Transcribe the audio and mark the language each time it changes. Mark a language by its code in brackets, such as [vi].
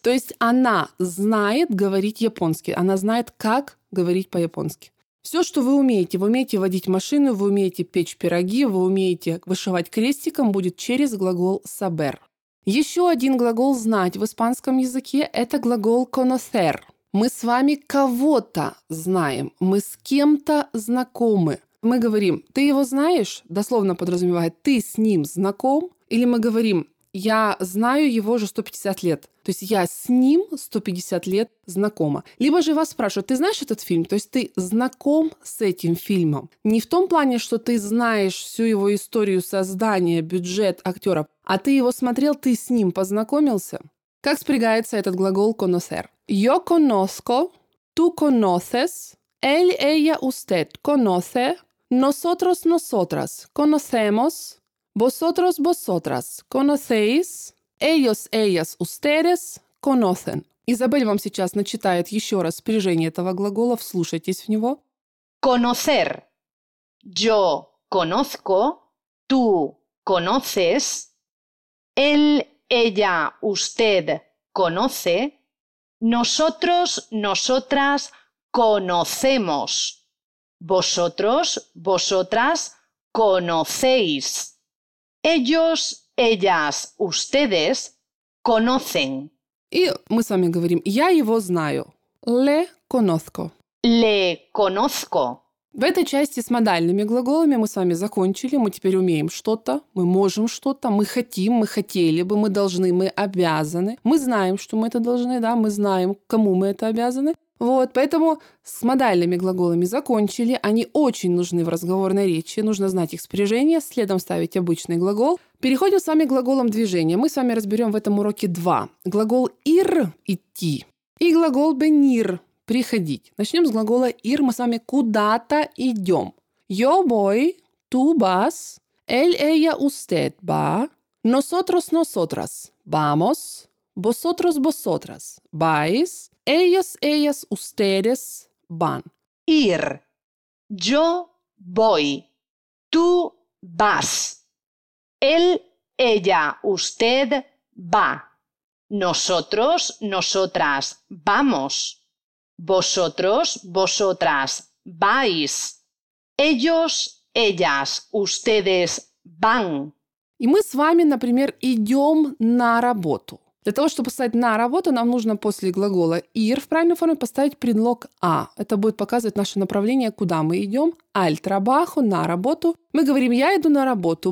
[ru] То есть она знает говорить японски. Она знает, как говорить по-японски. Все, что вы умеете водить машину, вы умеете печь пироги, вы умеете вышивать крестиком, будет через глагол saber. Еще один глагол знать в испанском языке – это глагол conocer. Мы с вами кого-то знаем, мы с кем-то знакомы. Мы говорим, ты его знаешь, дословно подразумевает, ты с ним знаком. Или мы говорим, я знаю его уже 150 лет. То есть я с ним 150 лет знакома. Либо же вас спрашивают, ты знаешь этот фильм? То есть ты знаком с этим фильмом. Не в том плане, что ты знаешь всю его историю создания, бюджет, актеров, а ты его смотрел, ты с ним познакомился. Как спрягается этот глагол conocer? [es] Yo conozco, tú conoces. Él, ella, usted conoce, nosotros, nosotras conocemos, vosotros, vosotras conocéis, ellos, ellas, ustedes conocen. [ru] Изабель вам сейчас начитает еще раз спряжение этого глагола, вслушайтесь в него. [es] Conocer. Yo conozco, tú conoces, él, ella, usted conoce, nosotros, nosotras conocemos. Vosotros, vosotras, conocéis. Ellos, ellas, ustedes, conocen. [ru] Y мы с вами говорим, я его знаю. [es] Le conozco. Le conozco. [ru] В этой части с модальными глаголами мы с вами закончили. Мы теперь умеем что-то, мы можем что-то, мы хотим, мы хотели бы, мы должны, мы обязаны. Мы знаем, что мы это должны, да, мы знаем, кому мы это обязаны. Вот, поэтому с модальными глаголами закончили. Они очень нужны в разговорной речи. Нужно знать их спряжение, следом ставить обычный глагол. Переходим с вами к глаголам движения. Мы с вами разберем в этом уроке два. Глагол «ir» – «идти» и глагол «venir» – «приходить». Начнем с глагола «ir». Мы с вами куда-то идем. [es] Yo voy, tú vas, él, ella, usted va, nosotros, nosotras vamos, vosotros, vosotras vais, ellos, ellas, ustedes van. Ir. Yo voy. Tú vas. Él, ella, usted va. Nosotros, nosotras vamos. Vosotros, vosotras vais. Ellos, ellas, ustedes van. [ru] Y мы с вами, например, идем на работу. Для того, чтобы поставить «на работу», нам нужно после глагола «ir» в правильной форме поставить предлог «а». Это будет показывать наше направление, куда мы идем. «Аль трабахо» – «на работу». Мы говорим «я иду на работу».